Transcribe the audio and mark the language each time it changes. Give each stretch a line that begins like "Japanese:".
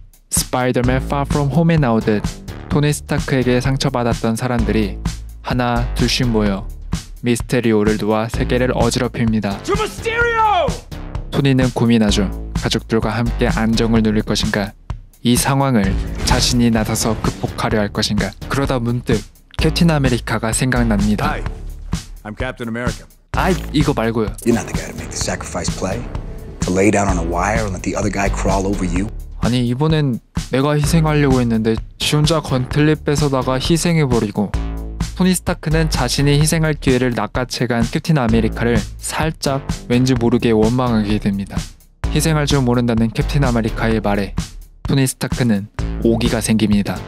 Korean: 스파이더맨 Far From Home에 나오듯 토니 스타크에게 상처받았던 사람들이 하나 둘씩 모여 미스테리오를 놓아 세계를 어지럽힙니다. 토니는 고민하죠. 가족들과 함께 안정을 누릴 것인가, 이 상황을 자신이 나서서 극복하려 할 것인가. 그러다 문득 캡틴 아메리카가 생각납니다.
English: Hi, I'm Captain America.
Korean: 아이, 이거 말고요.
English: You're not the guy to make the sacrifice play? To lay down on a wire and let the other guy crawl over you?
Korean: 아니, 이번엔 내가 희생하려고 했는데 지 혼자 건틀릿 뺏어다가 희생해버리고. 토니 스타크는 자신이 희생할 기회를 낚아채간 캡틴 아메리카를 살짝 왠지 모르게 원망하게 됩니다. 희생할 줄 모른다는 캡틴 아메리카의 말에 토니 스타크는 오기가 생깁니다.